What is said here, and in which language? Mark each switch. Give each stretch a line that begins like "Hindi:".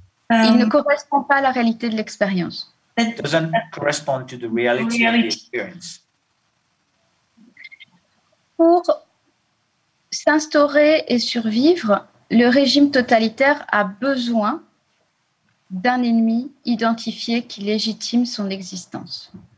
French: il ne correspond pas à la réalité de l'expérience.
English: Doesn't correspond to the reality of the experience.
French: Pour s'instaurer et survivre, le régime totalitaire a besoin d'un ennemi identifié qui légitime son existence.